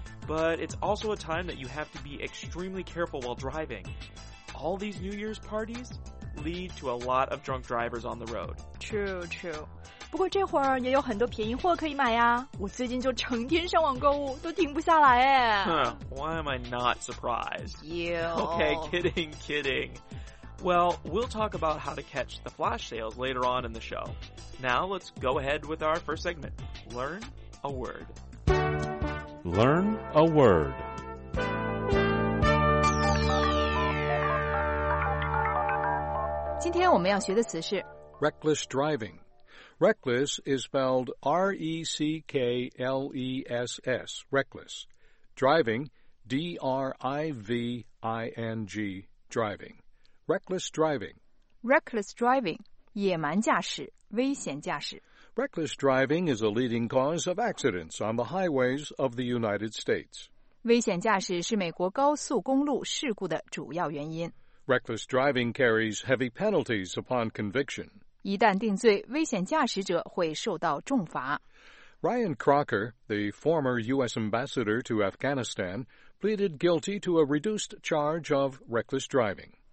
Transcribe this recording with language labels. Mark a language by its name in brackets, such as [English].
[English] But it's also a time that you have to be extremely careful while driving. All these New Year's parties lead to a lot of drunk drivers on the road. True, true. [Chinese] 不过这会儿也有很多便宜货可以买呀。我最近就成天上网购物，都停不下来耶。 [English] Why am I not surprised? Ew. Okay, kidding, kidding. Well, we'll talk about how to catch the flash sales later on in the show. Now, let's go ahead with our first segment. Learn a word. Learn a word. Today, we're going to learn the word reckless driving. Reckless is spelled R-E-C-K-L-E-S-S, reckless. Driving, D-R-I-V-I-N-G, driving. Reckless driving. [Chinese] Reckless driving, 野蛮驾驶,危险驾驶。 [English] Reckless driving is a leading cause of accidents on the highways of the United States. [Chinese] 危险驾驶是美国高速公路事故的主要原因。 [English] Reckless driving carries heavy penalties upon conviction. [Chinese] 一旦定罪,危险驾驶者会受到重罚。 [English] Ryan Crocker, the former U.S. ambassador to Afghanistan, pleaded guilty to a reduced charge of reckless driving.